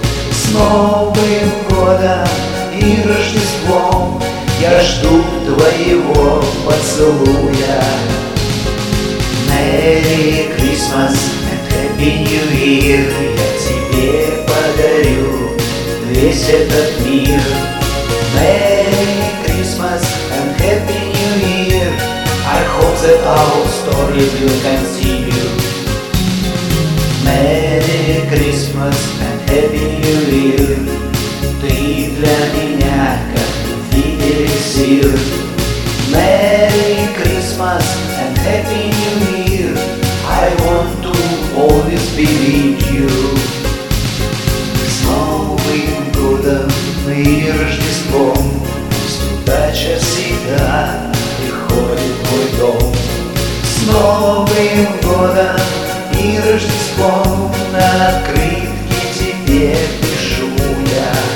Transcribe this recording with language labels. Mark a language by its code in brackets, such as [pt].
[ru] С Новым годом и Рождеством, я жду твоего поцелуя. [en] Merry Christmas and Happy New Year, [ru] я тебе подарю весь этот мир. [en] Merry Christmas and Happy New Year, I hope that our story will continue. Merry Christmas and Happy New Year, [ru] ты для меня как любитель сил. [en] Merry Christmas and Happy New Year, I want to always be with you. [ru] С Новым годом и Рождеством, пусть удача всегда приходит в твой дом. С Новым годом и Рождеством, на открытке тебе пишу я.